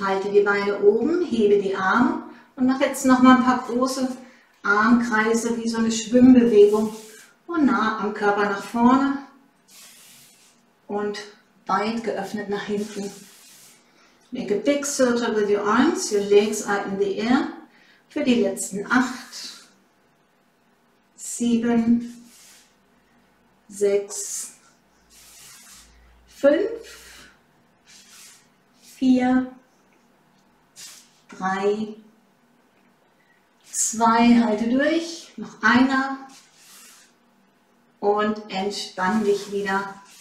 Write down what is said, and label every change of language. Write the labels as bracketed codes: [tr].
[de] Halte die Beine oben, hebe die Arme und mach jetzt nochmal ein paar große Armkreise wie so eine Schwimmbewegung und nah am Körper nach vorne und weit geöffnet nach hinten. [en] Make a big circle with your arms, your legs are in the air. [de] Für die letzten 8, 7, 6, 5, 4, 3, 2, halte durch, noch einer und entspann dich wieder.